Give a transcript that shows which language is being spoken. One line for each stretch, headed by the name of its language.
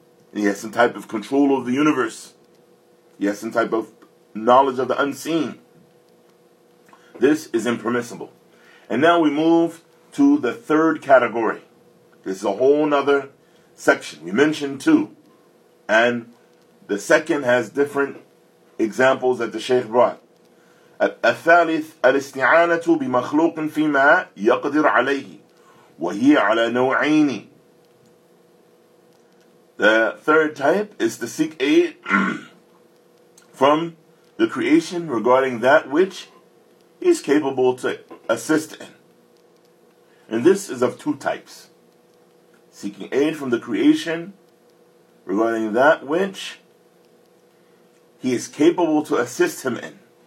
English: And he has some type of control over the universe. He has some type of knowledge of the unseen. This is impermissible. And now we move to the third category. This is a whole other section. We mentioned two. And the second has different examples that the Shaykh brought.
Arabic: الثالث الاستعانة بمخلوق فيما يقدر عليه وهي على نوعين.
English: The third type is to seek aid from the creation regarding that which he's capable to assist in. And this is of two types. Seeking aid from the creation regarding that which he is capable to assist him in.